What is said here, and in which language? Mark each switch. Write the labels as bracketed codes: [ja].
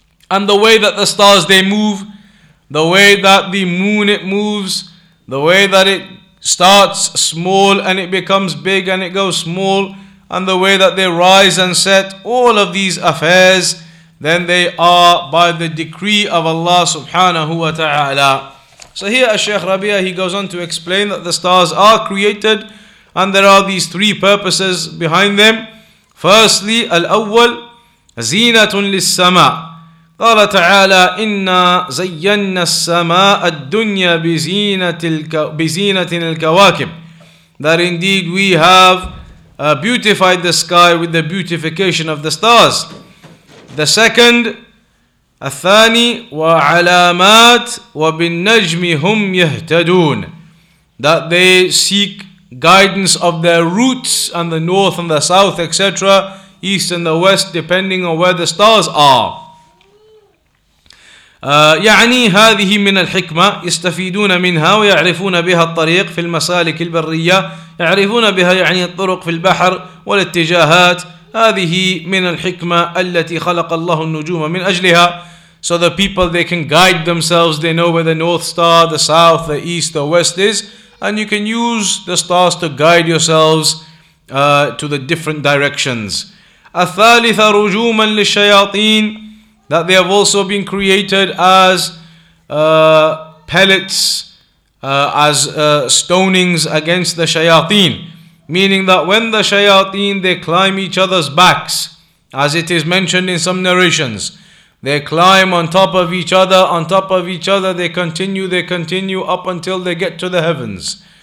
[en] And the way that the stars, they move, the way that the moon, it moves, the way that it starts small and it becomes big and it goes small, and the way that they rise and set, all of these affairs, then they are by the decree of Allah subhanahu wa ta'ala. So here as Shaykh Rabee, he goes on to explain that the stars are created and there are these three purposes behind them. Firstly, [ar] al-awwal, zinatun lis-sama. قال تعالى إنا زينا السماء الدنيا بزينة الكواكب. [en] That indeed we have beautified the sky with the beautification of the stars. The second, [ar] الثاني وعلامات وبالنجم هم يهتدون. [en] That they seek guidance of their roots and the north and the south, etc., east and the west, depending on where the stars are. [ar] يعني هذه من الحكمة يستفيدون منها ويعرفون بها الطريق في المسالك البرية يعرفون بها يعني الطرق في البحر والاتجاهات هذه من الحكمة التي خلق الله النجوم من أجلها. [en] So the people, they can guide themselves, they know where the north star, the south, the east, the west is, and you can use the stars to guide yourselves to the different directions. [ar] الثالثة رجوما للشياطين. [en] That they have also been created as pellets, as stonings against the shayateen. meaning that when the shayateen, they climb each other's backs, as it is mentioned in some narrations, they climb on top of each other, on top of each other, they continue up until they get to the heavens.